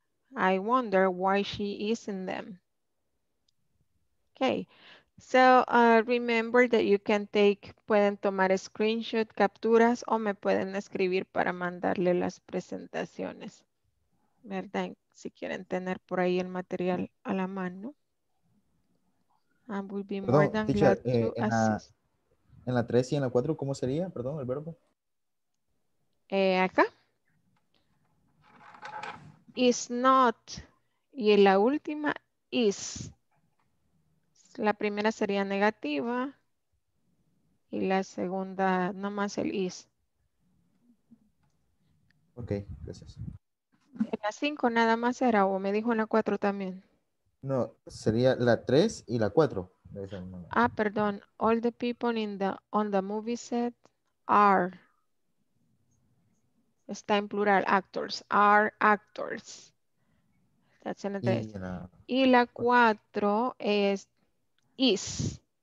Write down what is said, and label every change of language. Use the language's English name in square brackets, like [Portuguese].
[English] I wonder why she is in them. Okay. [Spanish] So remember that you can take, pueden tomar screenshot, capturas o me pueden escribir para mandarle las presentaciones. ¿Verdad? Si quieren tener por ahí el material a la mano. [English] And we'll be more than glad to assist. [Spanish] En la 3 y en la 4, ¿cómo sería? Perdón, el verbo. Acá. Is not. Y en la última, is. La primera sería negativa. Y la segunda, nomás el is. Ok, gracias. En la 5 nada más era, o me dijo en la 4 también. No, sería la 3 y la 4. Ah, perdón. [English] All the people in the on the movie set are. Está en plural, actors. Are actors. That's in the 3. [Spanish] Y la 4 es is.